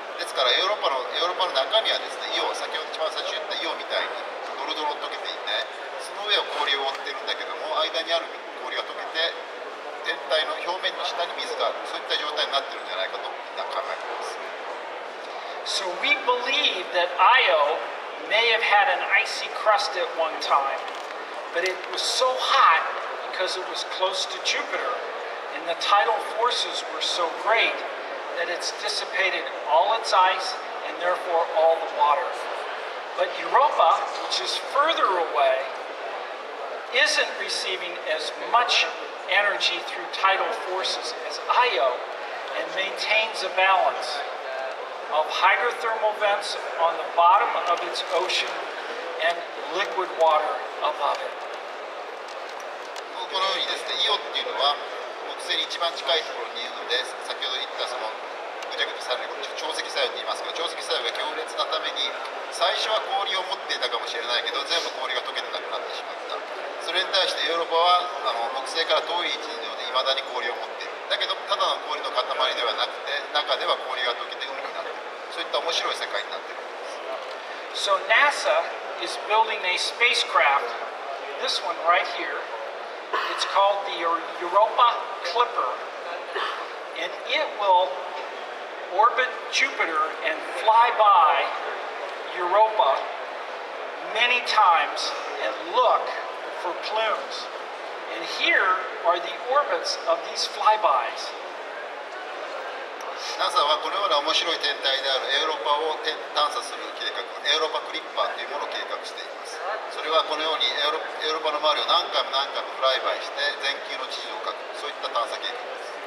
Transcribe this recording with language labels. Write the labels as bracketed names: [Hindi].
[Japanese] ですからヨーロッパの中身はですね、先ほど一番最初言った硫黄みたいにドロドロ溶けていて、その上を氷を覆ってるんだけども、間にある氷が溶けて天体の表面の下に水がある、そういった状態になってるんじゃないかとみんな考えています。 [English] So we believe that Io may have had an icy crust at one time, but it was so hot because it was close to Jupiter, and the tidal forces were so great that it's dissipated all its ice and therefore all the water. But Europa, which is further away, isn't receiving as much energy through tidal forces as Io and maintains a balance. Of hydrothermal vents on the bottom of its ocean and liquid water above it. [Japanese] このようにですね、硫黄っていうのは木星に一番近いところにいるので、先ほど言ったそのぐちゃぐちゃされる潮汐作用といいますけど、潮汐作用が強烈なために、最初は氷を持っていたかもしれないけど、全部氷が溶けてなくなってしまった。それに対してヨーロッパは木星から遠い位置でいまだに氷を持っている。だけどただの氷の塊ではなくて、中では氷が溶けて海になっている、そういった面白い世界になっているんです。 [English] So NASA is building a spacecraft, this one right here. It's called the Europa Clipper, and it will orbit Jupiter and fly by Europa many times and look for plumes. And here are the orbits of these flybys. [Japanese] NASA はこのような面白い天体であるエウロパを探査する計画、エウロパクリッパーというものを計画しています。それはこのようにエウロパの周りを何回も何回もフライバイして全球の地図を描く、そういった探査計画です。